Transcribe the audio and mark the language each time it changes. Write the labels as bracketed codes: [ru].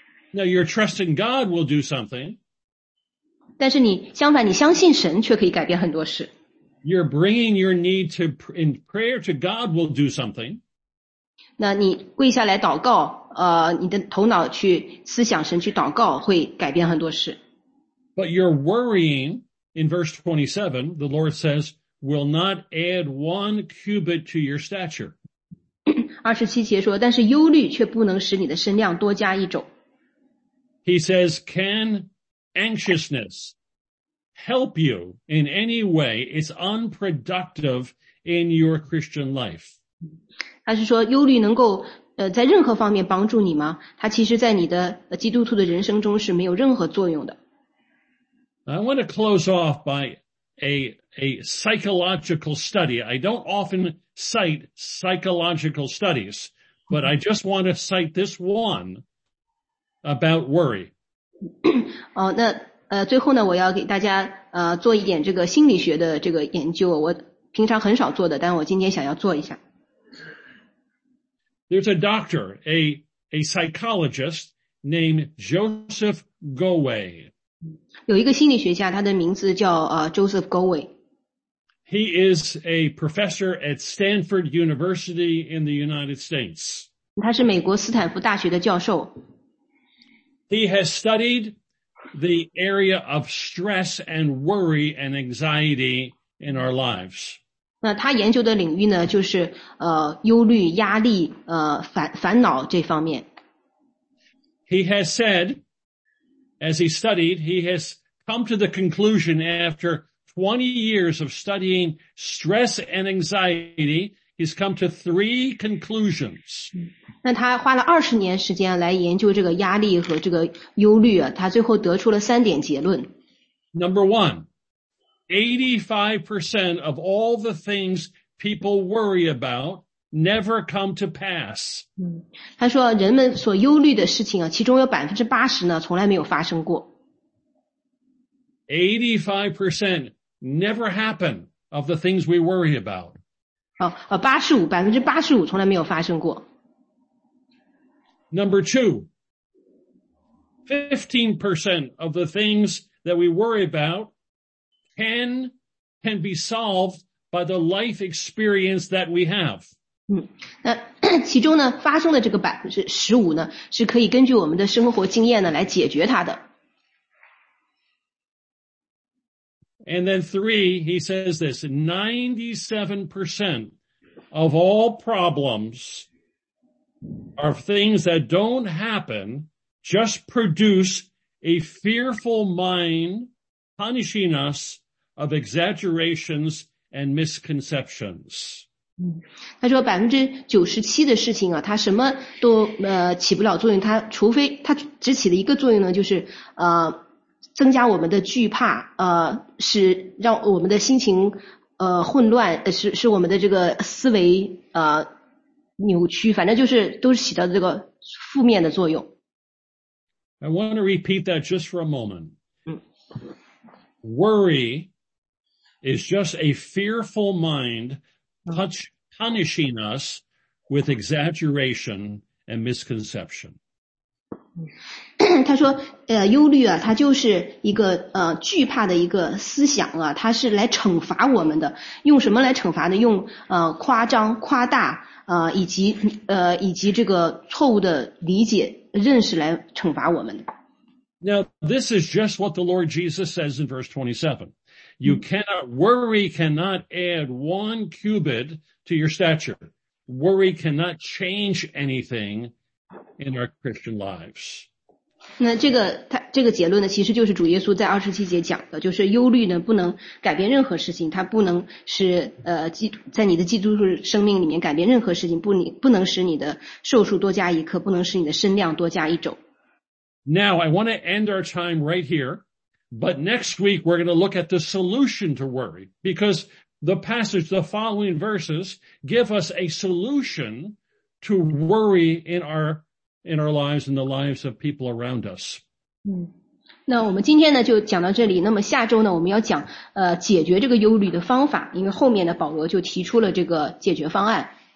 [en] Now your trust in God will do something. [zh] 但是你相反你相信神却可以改变很多事。 [en] Your bringing your need to in prayer to God will do something. [zh] 那你跪下来祷告你的头脑去思想神去祷告会改变很多事。 [en] But your worrying in verse 27, the Lord says, will not add one cubit to your stature. [zh] 27节说，但是忧虑却不能使你的身量多加一肘。 [en] He says, can anxiousness help you in any way? It's unproductive in your Christian life. [zh] 他是说忧虑能够在任何方面帮助你吗？它其实在你的基督徒的人生中是没有任何作用的。 [en] I want to close off by a psychological study. I don't often cite psychological studies, but I just want to cite this one about worry. [zh] 最后呢，我要给大家做一点这个心理学的这个研究。我平常很少做的，但我今天想要做一下。 [en] There's a doctor, a psychologist named Joseph Goway. [zh] 有一个心理学家，他的名字叫Joseph Goway. [en] He is a professor at Stanford University in the United States. [zh] 他是美国斯坦福大学的教授。 [en] He has studied the area of stress and worry and anxiety in our lives. [zh] 那他研究的领域呢，就是忧虑、压力、烦恼这方面。 [en] He has said, as he studied, he has come to the conclusion after 20 years of studying stress and anxiety, he's come to three conclusions. [zh] 那他花了20年时间来研究这个压力和这个忧虑啊，他最后得出了三点结论。 [en] Number one. 85% of all the things people worry about never come to pass. [zh] 他说人们所忧虑的事情啊，其中有 80% 呢从来没有发生过。 [en] 85% never happen of the things we worry about. [zh] 85% 从来没有发生过。 [en] Number two, 15% of the things that we worry aboutcan be solved by the life experience that we have. [zh] 那其中呢发生的这个15%呢是可以根据我们的生活经验呢来解决它的。 [en] And then three, he says this, 97% of all problems are things that don't happen, just produce a fearful mind punishing us,of exaggerations and misconceptions. [zh] 他说97%的事情啊，他什么都起不了作用，他除非他只起了一个作用呢，就是增加我们的惧怕，使让我们的心情混乱，使我们的这个思维扭曲，反正就是都是起到这个负面的作用。 [en] I want to repeat that just for a moment. Worry. Is just a fearful mind punishing us with exaggeration and misconception. [zh] 他说忧虑啊它就是一个惧怕的一个思想啊，它是来惩罚我们的。用什么来惩罚呢？用夸张夸大以及这个错误的理解认识来惩罚我们的。 [en] Now, this is just what the Lord Jesus says in verse 27. You cannot, worry cannot add one cubit to your stature. Worry cannot change anything in our Christian lives. [zh] 那这个结论呢，其实就是主耶稣在27节讲的，就是忧虑呢不能改变任何事情，它不能使在你的基督徒生命里面改变任何事情，不能使你的寿数多加一刻，不能使你的身量多加一肘。 [en] Now, I want to end our time right here. But next week, we're going to look at the solution to worry, because the passage, the following verses, give us a solution to worry in our lives and the lives of people around us. [zh] 那我们今天呢就讲到这里，那么下周呢我们要讲解决这个忧虑的方法，因为后面的保罗就提出了这个解决方案。